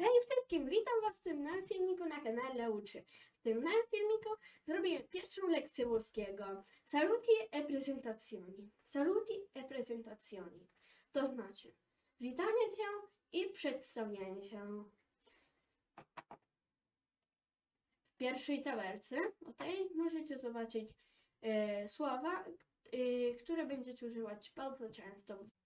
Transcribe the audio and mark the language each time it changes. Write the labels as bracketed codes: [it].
[pl] Wszystkim witam Was w tym nowym filmiku na kanale Uczy. W tym nowym filmiku zrobię pierwszą lekcję włoskiego. [it] Saluti e presentazioni. Saluti e presentazioni. [pl] To znaczy witanie się i przedstawianie się. W pierwszej tabelce, o tej możecie zobaczyć słowa, które będziecie używać bardzo często.